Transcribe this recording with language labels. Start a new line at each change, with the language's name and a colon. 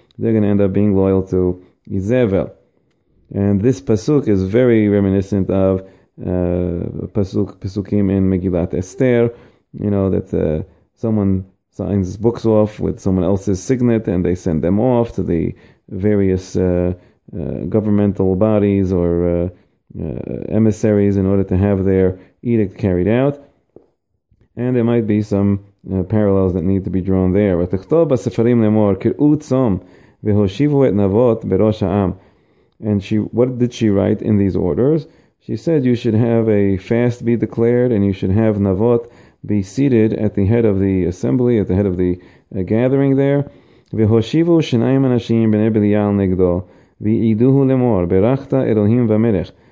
English: They're going to end up being loyal to Izebel. And this pasuk is very reminiscent of pasukim in Megillat Esther, you know, that someone signs books off with someone else's signet and they send them off to the various governmental bodies or emissaries in order to have their edict carried out. And there might be some parallels that need to be drawn there.
Hebrew: ותכתוב בספרים לאמור, קראו צום, והושיבו את נבות בראש העם.
English: And she, what did she write in these orders? She said you should have a fast be declared, and you should have Navot be seated at the head of the assembly, at the head of the gathering there.
Hebrew: והושיבו שניים אנשים בני בליעל נגדו, ועידוהו לאמור, ברכת אלוהים ומלך.